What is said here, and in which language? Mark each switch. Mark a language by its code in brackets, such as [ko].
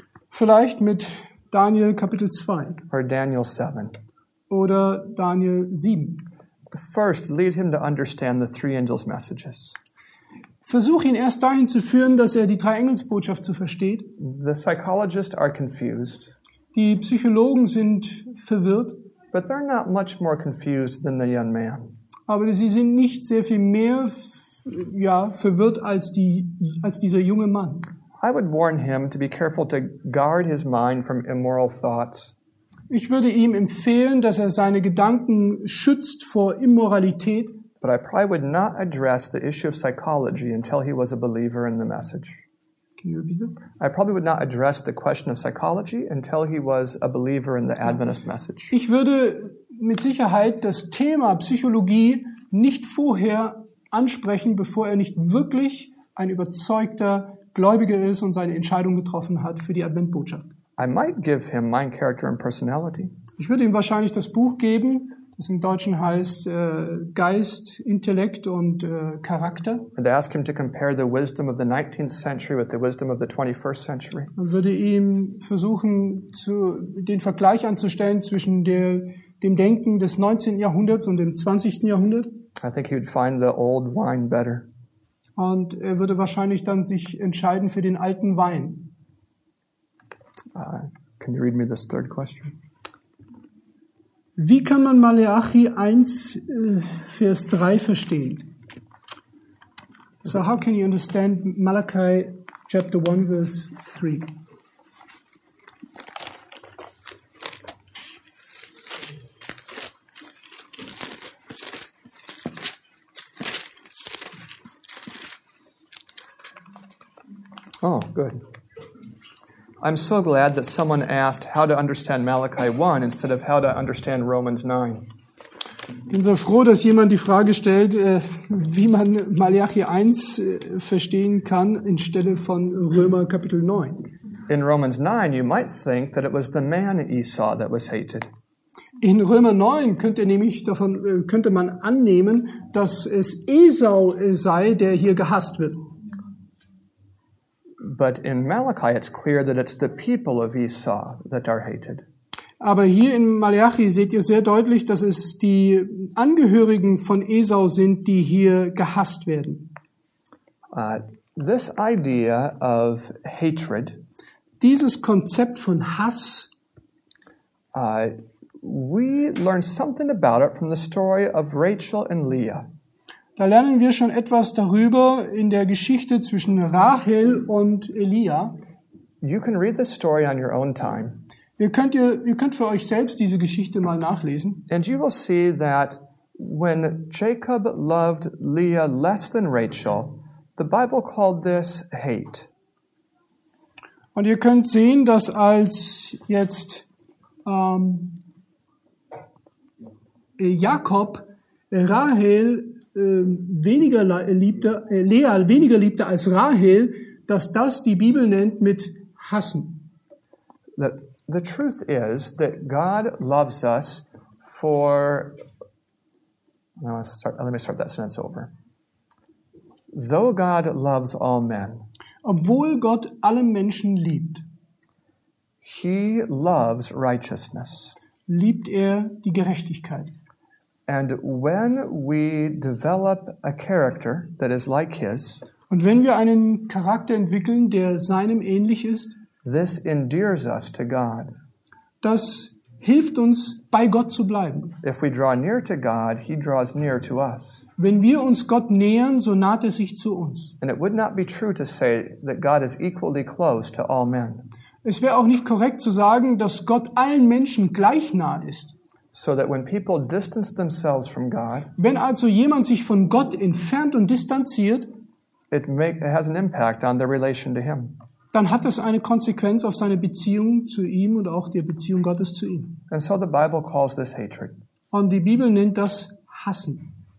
[de] Vielleicht mit Daniel Kapitel 2. [en] Or Daniel 7. [de] Oder Daniel 7. [en] First, lead him to understand the three angels' messages. [de] Versuch ihn erst dahin zu führen, dass er die Drei-Engels-Botschaft zu versteht. [en] The psychologists are confused. [de] Die Psychologen sind verwirrt. [en] But they're not much more confused than the young man. [de] Aber sie sind nicht sehr viel mehr verwirrt als dieser junge Mann. [en] I would warn him to be careful to guard his mind from immoral thoughts. [de] Ich würde ihm empfehlen, dass er seine Gedanken schützt vor Immoralität. [en] But I probably would not address the issue of psychology until he was a believer in the message. Can you repeat that? I probably would not address the question of psychology until he was a believer in the Adventist message. [de] Ich würde mit Sicherheit das Thema Psychologie nicht vorher ansprechen, bevor er nicht wirklich ein überzeugter Gläubiger ist und seine Entscheidung getroffen hat für die Adventbotschaft. [en] I might give him my character and personality. [de] Ich würde ihm wahrscheinlich das Buch geben, das im Deutschen heißt Geist, Intellekt und Charakter. [en] And ask him to compare the wisdom of the 19th century with the wisdom of the 21st century. [de] Und würde ihm versuchen, den Vergleich anzustellen zwischen dem Denken des 19. Jahrhunderts und dem 20. Jahrhundert. [en] I think he would find the old wine better. [de] Und er würde wahrscheinlich dann sich entscheiden für den alten Wein. [en] Can you read me this third question? [de] Wie kann man Malachi 1, Vers 3 verstehen? [en] So how can you understand Malachi chapter 1, verse 3? Oh, good. I'm so glad that someone asked how to understand Malachi 1 instead of how to understand Romans 9. [de] Ich bin so froh, dass jemand die Frage stellt, wie man Malachi 1 verstehen kann anstelle von Römer Kapitel 9. [en] In Romans 9 you might think that it was the man Esau that was hated. [de] In Römer 9 könnte man annehmen, dass es Esau sei, der hier gehasst wird. [en] But in Malachi it's clear that it's the people of Esau that are hated. [de] Aber hier in Malachi seht ihr sehr deutlich, dass es die Angehörigen von Esau sind, die hier gehasst werden. [en] This idea of hatred, [de] dieses Konzept von Hass, [en] we learn something about it from the story of Rachel and Leah. [de] Da lernen wir schon etwas darüber in der Geschichte zwischen Rahel und Leah. [en] You can read the story on your own time. [de] Ihr könnt für euch selbst diese Geschichte mal nachlesen. [en] And you will see that when Jacob loved Leah less than Rachel, the Bible called this hate. [de] Und ihr könnt sehen, dass als jetzt Jakob Rahel weniger liebte, Leah weniger liebte als Rahel, dass das die Bibel nennt mit Hassen. [en] The truth is that God loves us for. Let me start that sentence over. Though God loves all men, [de] obwohl Gott alle Menschen liebt, [en] He loves righteousness. [de] Liebt er die Gerechtigkeit? [en] And when we develop a character that is like His, [de] und wenn wir einen Charakter entwickeln, der seinem ähnlich ist, [en] this endears us to God. [de] Das hilft uns, bei Gott zu bleiben. [en] If we draw near to God, He draws near to us. [de] Wenn wir uns Gott nähern, so naht er sich zu uns. [en] And it would not be true to say that God is equally close to all men. [de] Es wäre auch nicht korrekt zu sagen, dass Gott allen Menschen gleich nah ist. [en] So that when people distance themselves from God, [de] wenn also jemand sich von Gott entfernt und distanziert, [en] it has an impact on their relation to Him. [de] Dann hat es eine Konsequenz auf seine Beziehung zu ihm und auch die Beziehung Gottes zu ihm. [en] And so the Bible calls this hatred. [de] Und die Bibel nennt das Hassen.